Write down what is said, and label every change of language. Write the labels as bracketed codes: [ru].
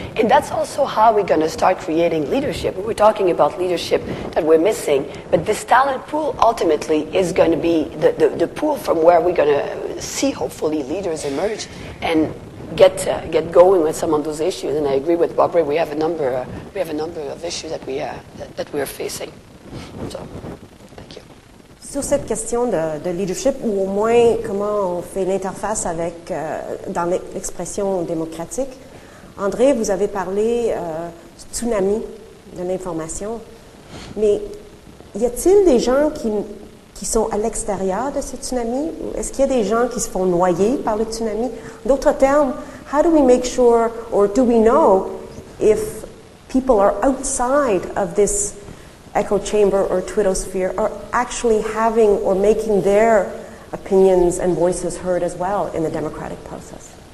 [en] And that's also how we're going to start creating leadership. We're talking about leadership that we're missing, but this talent pool ultimately is going to be the pool from where we're going to see, hopefully, leaders emerge and get going with some of those issues. And I agree with Barbara, we have a number of issues that we are facing. So. [fr] Sur cette question de leadership, ou au moins comment on fait l'interface avec, dans l'expression démocratique, André, vous avez parlé du tsunami de l'information, mais y a-t-il des gens qui sont à l'extérieur de ce tsunami? Est-ce qu'il y a des gens qui se font noyer par le tsunami? D'autres termes, [en] how do we make sure, or do we know, if people are outside of this echo chamber or twittosphere are actually having or making their opinions and voices heard as well in the democratic process?